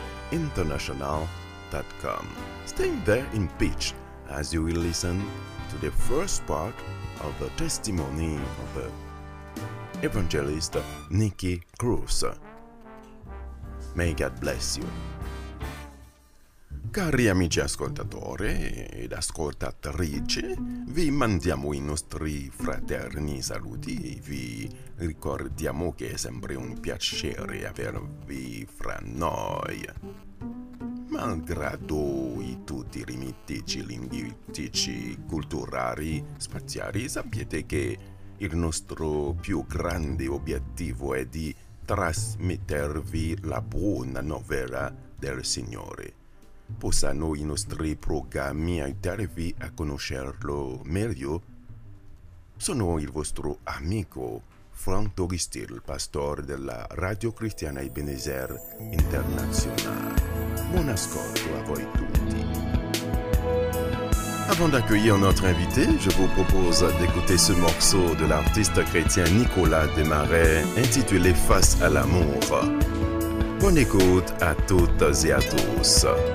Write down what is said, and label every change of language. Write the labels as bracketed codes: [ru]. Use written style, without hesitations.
[en] www.radioeben-ezerinternational.com. Stay there in pitch as you will listen to the first part of the testimony of the evangelist Nicky Cruz. May God bless you. [it] Cari amici ascoltatori ed ascoltatrici, vi mandiamo i nostri fraterni saluti e vi ricordiamo che è sempre un piacere avervi fra noi. Malgrado tutti i limiti linguistici, culturali, spaziali, sappiate che il nostro più grande obiettivo è di trasmettervi la buona novella del Signore. Possano i nostri programmi aiutarvi a conoscerlo meglio? Sono il vostro amico Frank Dogistil, pastore della Radio Cristiana Ebenezer Internazionale. Buon ascolto a voi tutti. [fr] Avant d'accueillir notre invité, je vous propose d'écouter ce morceau de l'artiste chrétien Nicolas Desmarais intitulé Face à l'amour. Bonne écoute à toutes et à tous.